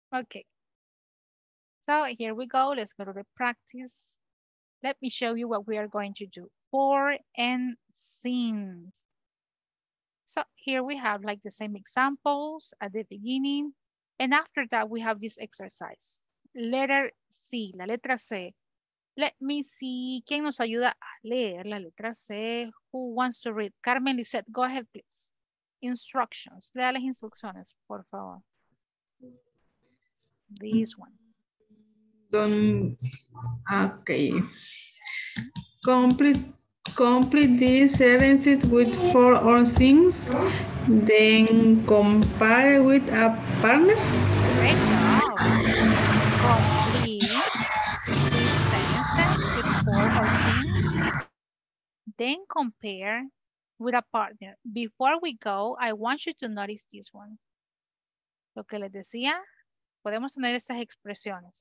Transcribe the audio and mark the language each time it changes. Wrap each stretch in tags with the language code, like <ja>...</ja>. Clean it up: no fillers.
<en>Okay. So here we go. Let's go to the practice. Let me show you what we are going to do. For and since. So here we have like the same examples at the beginning. And after that, we have this exercise. Letter C,</en> <es>la letra C.</es> <en>Let me see,</en> <es>¿quién nos ayuda a leer la letra C?</es> <en>Who wants to read? Carmen Lizeth, go ahead, please. Instructions,</en> <es>lea las instrucciones, por favor.</es> <en>These ones. Okay. Complete these sentences with four or things, then compare with a partner. Great job. Complete these sentences with four or things, then compare with a partner. Before we go, I want you to notice this one.</en> <es>Lo que les decía, podemos tener estas expresiones.</es>